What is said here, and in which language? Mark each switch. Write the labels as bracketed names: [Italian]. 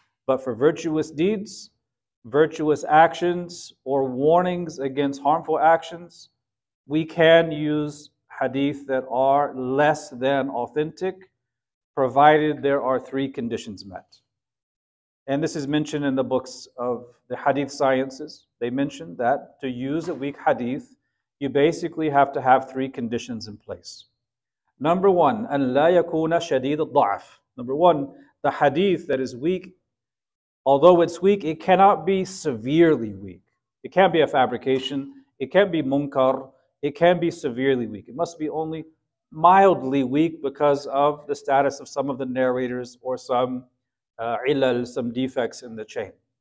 [English] But for virtuous deeds, virtuous actions, or warnings against harmful actions, we can use hadith that are less than authentic, provided there are three conditions met. And this is mentioned in the books of the hadith sciences. They mention that to use a weak hadith, you basically have to have three conditions in place. Number one, [Arabic] أن لا يكون شديد الضعف. [English] Number one, the hadith that is weak, although it's weak, it cannot be severely weak. It can't be a fabrication. It can't be munkar. It can be severely weak. It must be only mildly weak because of the status of some of the narrators or some ilal, some defects in the chain.